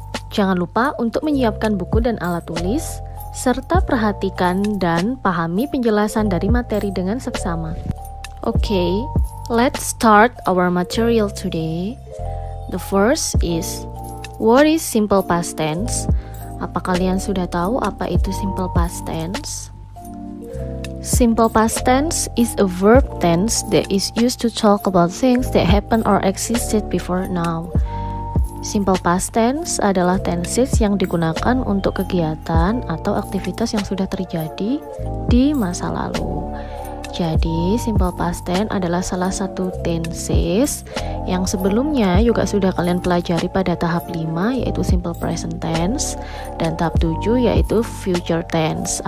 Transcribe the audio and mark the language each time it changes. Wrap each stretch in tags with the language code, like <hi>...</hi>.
<id>Jangan lupa untuk menyiapkan buku dan alat tulis, serta perhatikan dan pahami penjelasan dari materi dengan seksama.</id> <en>Okay, let's start our material today. The first is, what is simple past tense?</en> <id>Apa kalian sudah tahu apa itu simple past tense?</id> <en>Simple past tense is a verb tense that is used to talk about things that happened or existed before now.</en> <id>Simple past tense adalah tenses yang digunakan untuk kegiatan atau aktivitas yang sudah terjadi di masa lalu. Jadi, simple past tense adalah salah satu tenses yang sebelumnya juga sudah kalian pelajari pada tahap 5, yaitu simple present tense, dan tahap 7, yaitu future tense.</id>